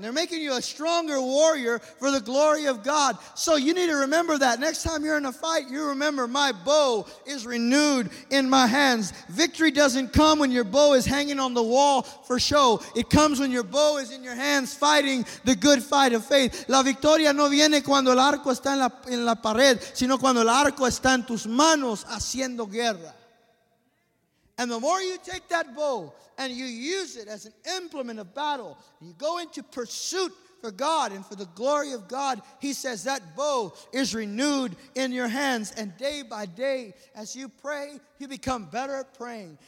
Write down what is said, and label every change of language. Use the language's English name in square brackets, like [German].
[English] They're making you a stronger warrior for the glory of God. So you need to remember that. Next time you're in a fight, you remember, my bow is renewed in my hands. Victory doesn't come when your bow is hanging on the wall for show. It comes when your bow is in your hands fighting the good fight of faith. [Spanish] La victoria no viene cuando el arco está en la pared, sino cuando el arco está en tus manos haciendo guerra. [English] And the more you take that bow and you use it as an implement of battle, you go into pursuit for God and for the glory of God, he says that bow is renewed in your hands. And day by day, as you pray, you become better at praying.